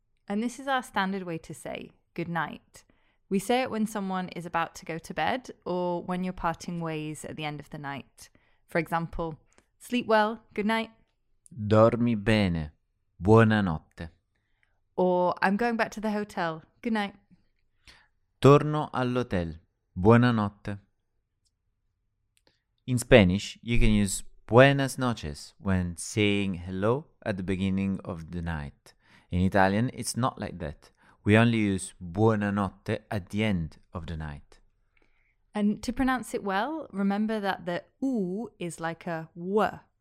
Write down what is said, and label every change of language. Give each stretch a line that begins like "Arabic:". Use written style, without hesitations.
English: And this is our standard way to say good night. We say it when someone is about to go to bed or when you're parting ways at the end of the night. For example, sleep well, good night.
Italian: Dormi bene, buonanotte.
English: Or I'm going back to the hotel, good night.
Italian: Torno all'hotel, buonanotte.
English: In Spanish, you can use buenas noches when saying hello at the beginning of the night. In Italian, it's not like that. We only use buonanotte at the end of the night. And to pronounce it well, remember that the U is like a W.